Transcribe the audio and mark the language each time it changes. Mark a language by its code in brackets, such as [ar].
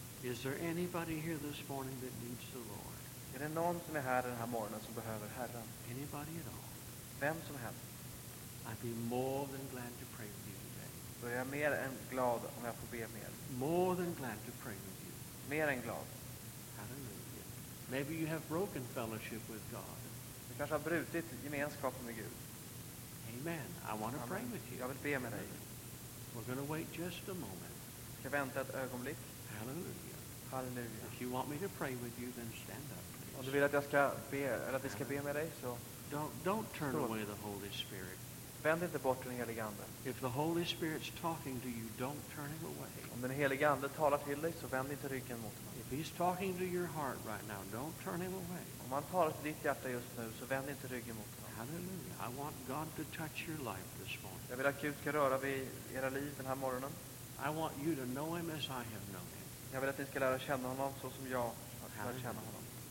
[en] Is there anybody here this morning that needs the Lord? [sv] Är det någon som är här den här morgonen som behöver Herren? [en] Anybody at all? [sv] Vem som helst. [en] I'd be more than glad to pray with you today. [sv] Då är jag mer än glad om jag får be mer. [en] More than glad to pray with you. [sv] Mer än glad. [en] Hallelujah. Maybe you have broken fellowship with God. [sv] Kanske har brutit gemenskapen med Gud. [en] Amen. I want to pray with you. [sv] Jag vill be med dig. [en] We're going to wait just a moment. [sv] Vi ska vänta ett ögonblick. Halleluja. Halleluja. [en] If you want me to pray with you, then stand up, please. [sv] Om du vill att jag ska be, eller att vi ska be med dig, så [en] don't turn away the Holy Spirit. [sv] Vänd inte bort den heliga anden. [en] If the Holy Spirit's talking to you, don't turn him away. [sv] Om den heliga anden talar till dig, så vänd inte ryggen mot honom. [en] If he's talking to your heart right now, don't turn him away. [sv] Om han talar till ditt hjärta just nu, så vänd inte ryggen mot honom. [en] Hallelujah. I want God to touch your life this morning. [sv] Jag vill att Gud ska röra vid era liv den här morgonen. [en] I want you to know him as I have known him. [sv] Jag vill att ni ska lära känna honom så som jag har lärt känna honom.